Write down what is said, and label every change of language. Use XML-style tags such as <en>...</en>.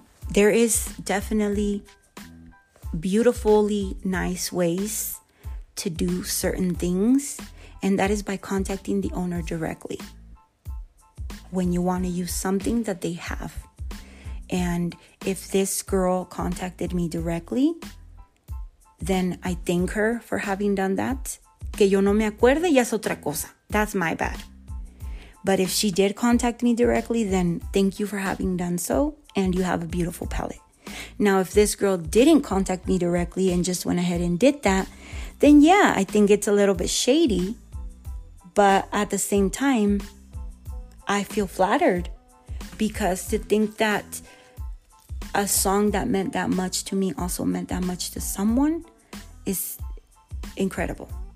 <en>There is definitely beautifully nice ways to do certain things, and that is by contacting the owner directly when you want to use something that they have. And if this girl contacted me directly, then I thank her for having done that.</en> <es>Que yo no me acuerde, ya es otra cosa.</es> <en>That's my bad. But if she did contact me directly, then thank you for having done so, and you have a beautiful palette. Now, if this girl didn't contact me directly and just went ahead and did that, then yeah, I think it's a little bit shady. But at the same time, I feel flattered, because to think that a song that meant that much to me also meant that much to someone is incredible.</en>